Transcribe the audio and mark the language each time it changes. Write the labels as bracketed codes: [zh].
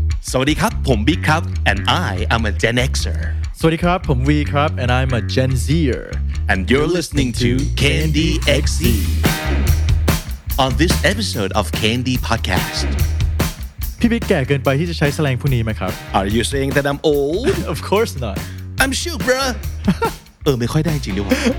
[th] สวัสดีครับผมบิ๊กครับ [en] and I am a Gen Xer [th] สวัสดีครับผมวีครับ [en] and I'm a Gen Zer and you're listening to Candy XZ on this episode of Candy Podcast [th] พี่บิ๊กแก่เกินไปที่จะใช้สแลงพวกนี้ไหมครับ [en] Are you saying that I'm old? Of course not I'm shook bruh [th] เออไม่ค่อยได้จริงด้วย